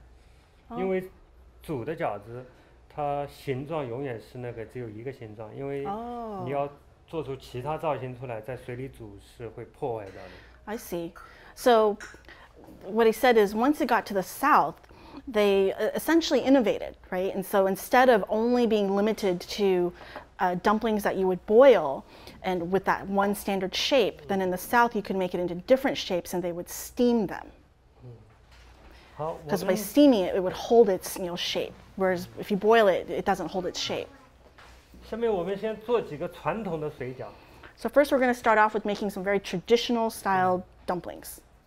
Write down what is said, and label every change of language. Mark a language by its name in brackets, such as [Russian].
[Chinese] 真的去蒸出来的。对，这个意思是什么？是水饺，哪里就是南方也有，但是南方多了一个蒸饺。多了蒸饺的目的是为了多出造型，因为煮的饺子。它形状永远是那个只有一个形状，因为你要做出其他造型出来，在水里煮是会破坏掉的。 [English] I see. So what he said is once it got to the south, they essentially innovated, right? And so instead of only being limited to dumplings that you would boil and with that one standard shape, then in the south you could make it into different shapes and they would steam them. Because by steaming it, it would hold its shape. Whereas if you boil it, it doesn't hold its shape. [Chinese] 下面我们先做几个传统的水饺。 [English] So first we're going to start off with making some very traditional style dumplings.